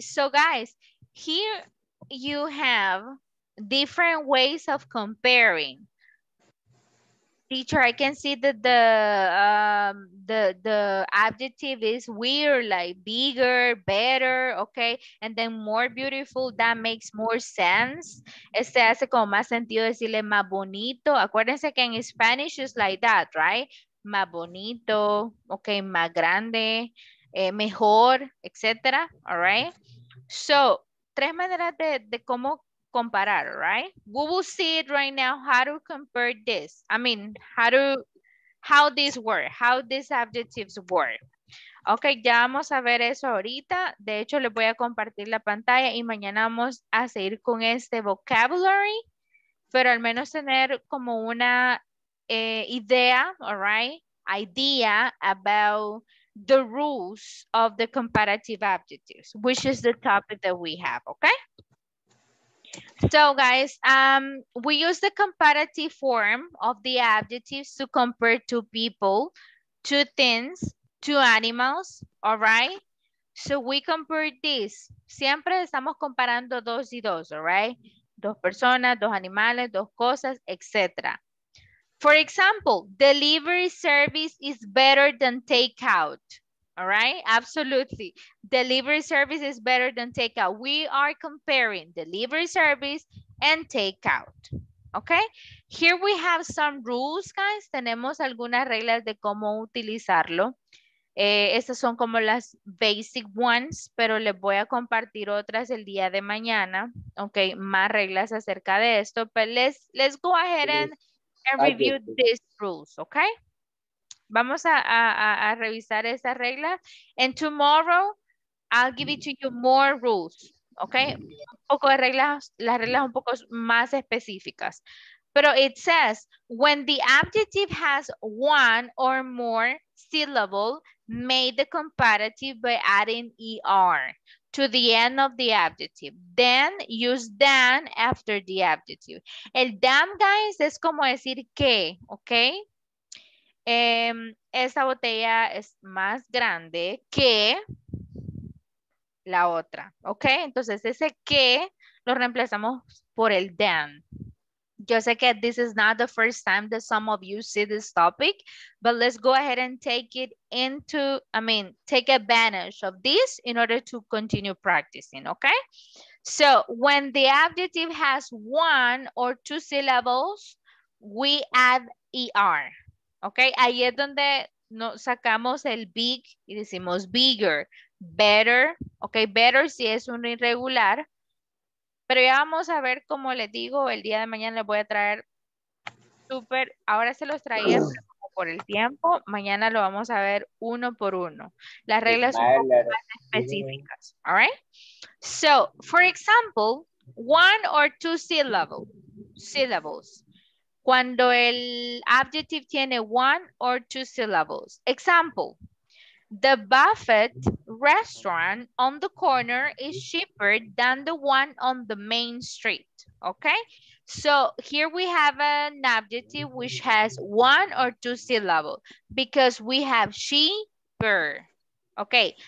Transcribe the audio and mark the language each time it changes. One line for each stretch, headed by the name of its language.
English: So, guys, here you have different ways of comparing. Teacher, I can see that the adjective is weird, like bigger, better, okay? And then more beautiful, that makes more sense.
Spanish: Este hace como más sentido decirle más bonito. Acuérdense que en
English: Spanish is like that, right?
Spanish: Más bonito, okay, más grande, mejor, etc.
English: All right?
Spanish: So, tres maneras de cómo comparar, right?
English: We will see it right now, how to compare this. I mean, how these adjectives work.
Spanish: Okay, ya vamos a ver eso ahorita. De hecho, les voy a compartir la pantalla y mañana vamos a seguir con este vocabulary, pero al menos tener como una idea, all right?
English: Idea about the rules of the comparative adjectives, which is the topic that we have, okay? So, guys, we use the comparative form of the adjectives to compare two people, two things, two animals, all right? So, we compare this.
Spanish: Siempre estamos comparando dos y dos,
English: all right?
Spanish: Dos personas, dos animales, dos cosas, etc.
English: For example, delivery service is better than takeout. All right, absolutely. Delivery service is better than takeout. We are comparing delivery service and takeout. Okay, here we have some rules, guys.
Spanish: Tenemos algunas reglas de cómo utilizarlo. Estas son como las
English: basic ones,
Spanish: pero les voy a compartir otras el día de mañana. Okay, más reglas acerca de esto.
English: But let's go ahead and review these rules, okay?
Spanish: Vamos a revisar esa regla.
English: And tomorrow, I'll give it to you more rules, okay?
Spanish: Un poco de reglas, las reglas un poco más específicas.
English: Pero it says, when the adjective has one or more syllable, make the comparative by adding ER. to the end of the adjective. Then use than after the adjective.
Spanish: El than, guys, es como decir que, ¿ok? Esa botella es más grande que la otra, ¿ok? Entonces ese que lo reemplazamos por el than. Yo sé que
English: this is not the first time that some of you see this topic, but let's go ahead and take it into, I mean, take advantage of this in order to continue practicing, okay? So when the adjective has one or two syllables, we add ER, okay?
Spanish: Ahí es donde nos sacamos el big y decimos bigger, better, okay? Better si es un irregular. Pero ya vamos a ver, como les digo, el día de mañana les voy a traer súper, ahora se los traía por el tiempo, mañana lo vamos a ver uno por uno. Las reglas son un poco más específicas,
English: all right? So, for example, one or two syllables.
Spanish: Cuando el
English: adjective tiene one or two syllables. Example. The buffet restaurant on the corner is cheaper than the one on the main street, okay? So here we have an adjective which has one or two syllables because we have cheaper, okay?